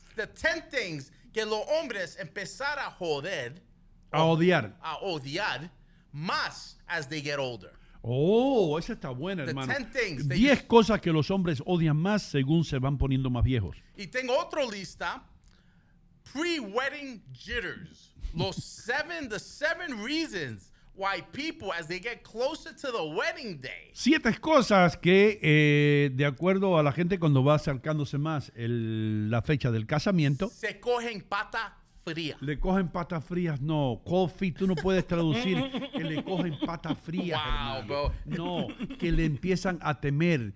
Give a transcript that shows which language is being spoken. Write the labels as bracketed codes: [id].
[en] The 10 things que los hombres empezar a joder. [es] A odiar. A odiar más [en] as they get older. [es] Oh, esa está buena, hermano. 10 cosas que los hombres odian más según se van poniendo más viejos. Y tengo otra lista. [en] Pre-wedding jitters. Los 7 reasons why people as they get closer to the wedding day. [es] 7 cosas que, de acuerdo a la gente, cuando va acercándose más la fecha del casamiento, se cogen pata fría. Le cogen patas frías, no. Coffee, tú no puedes traducir que le cogen patas frías, wow, no, que le empiezan a temer,